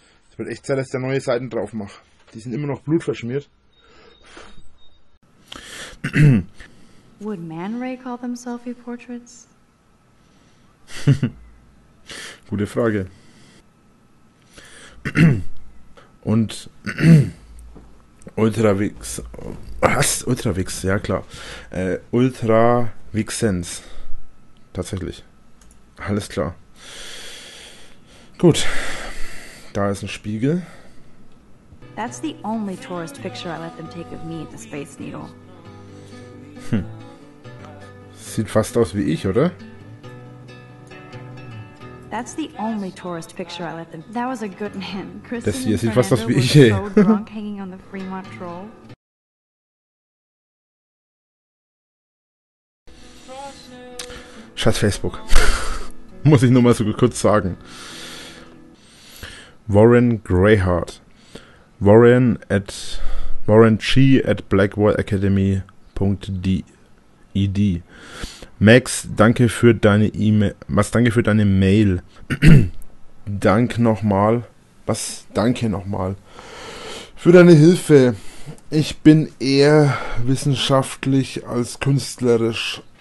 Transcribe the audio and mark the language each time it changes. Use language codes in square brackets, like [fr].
[de] Es wird echt Zeit, dass der neue Seiten drauf macht. Die sind immer noch blutverschmiert. [en] Would Man Ray call them selfie portraits? [de] Gute Frage. Und Ultravix. Was? Ultravix, ja klar. Ultravixens. Tatsächlich. Alles klar. Gut. Da ist ein Spiegel. [en] That's the only tourist picture I let them take of me at the Space Needle. [de] Sieht fast aus wie ich, oder? [en] That's the only tourist picture I let them. That was a good man. Chris. [de] Das hier sieht fast aus wie ich. [en] Drunk hanging on the Fremont Troll. [de] Scheiß Facebook. Muss ich nur mal so kurz sagen. [en] Warren Greyheart. Warren at Warren G at Blackwall Academy. .ed. [de] Max, danke für deine E-Mail. Was, danke für deine Mail. Dank nochmal. Was, danke nochmal. Für deine Hilfe. Ich bin eher wissenschaftlich als künstlerisch.